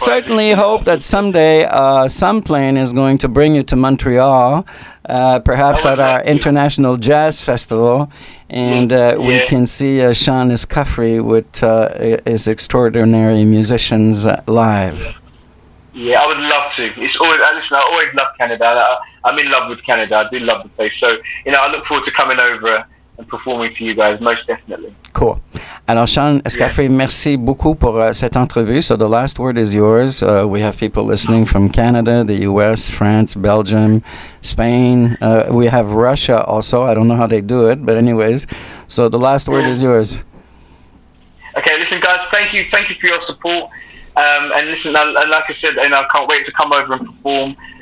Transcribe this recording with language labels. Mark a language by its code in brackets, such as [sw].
[en] We certainly hope that someday some plane is going to bring you to Montreal, perhaps at our International Jazz Festival, and we can see Shaun Escoffery with his extraordinary musicians live. Yeah, I would love to. I always love Canada. I'm in love with Canada. I do love the place. So, you know, I look forward to coming over and performing for you guys, most definitely. Cool. [fr] Alors, Shaun Escoffery, merci beaucoup pour cette entrevue. [en] So the last word is yours. We have people listening from Canada, the U.S., France, Belgium, Spain. We have Russia also. I don't know how they do it, but anyways. So the last word is yours. Okay, listen, guys, thank you. Thank you for your support. And listen, and like I said, and I can't wait to come over and perform.